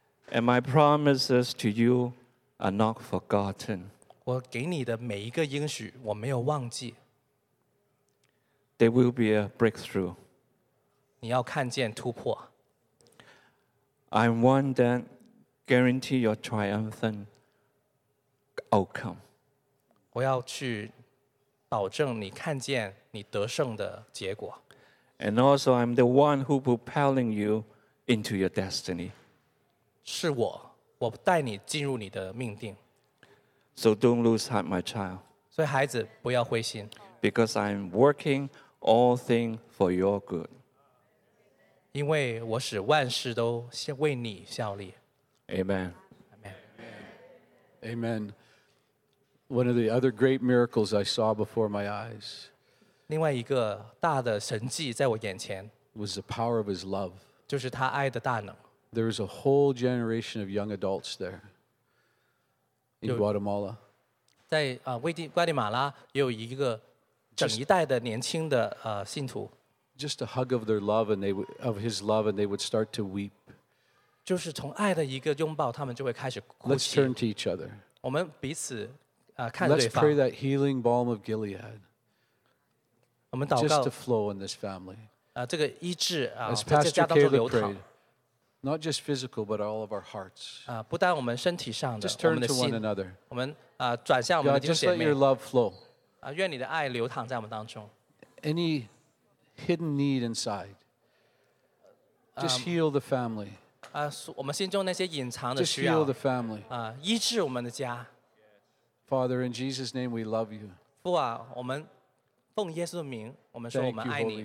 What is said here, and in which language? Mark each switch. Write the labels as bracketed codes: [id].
[en] And my promises to you are not forgotten. [zh] 我给你的每一个应许，我没有忘记。 [en] There will be a breakthrough. [zh] 你要看见突破。 [en] I'm one that guarantee your triumphant outcome. [zh] 我要去保证你看见你得胜的结果。 [en] And also, I'm the one who propelling you into your destiny. [zh] 是我，我带你进入你的命定。 [en] So don't lose heart, my child. [zh] 所以孩子，不要灰心。 [en] Because I'm working all things for your good. [zh] 因为我使万事都为你效力。 [en] Amen. Amen. Amen. One of the other great miracles I saw before my eyes. [zh] 另外一个大的神迹在我眼前。 [en] Was the power of His love. [zh] 就是他爱的大能。 [en] There was a whole generation of young adults there in Guatemala. [zh] 在瓜地马拉也有一个整一代的年轻的信徒。 [en] Just a hug of their love and they of His love and they would start to weep. [zh] 就是从爱的一个拥抱，他们就会开始哭泣。 [en] Let's turn to each other. [zh] 我们彼此看对方。 [en] Let's pray that healing balm of Gilead. [zh] 我们祷告。 [en] Just to flow in this family. [zh] 这个医治在这家当中流淌。 [en] Not just physical, but all of our hearts. [zh] 不但我们身体上的，我们的心。 [en] Just turn to one another. [zh] 我们转向我们的弟兄姐妹。 [en] Just let your love flow. [zh] 愿你的爱流淌在我们当中。 [en] Any hidden need inside, just heal the family. [zh] 我们心中那些隐藏的需要。 [en] Just heal the family. [zh] 医治我们的家。 [en] Father, in Jesus' name, we love you. [zh] 父啊，我们奉耶稣的名，我们说我们爱你。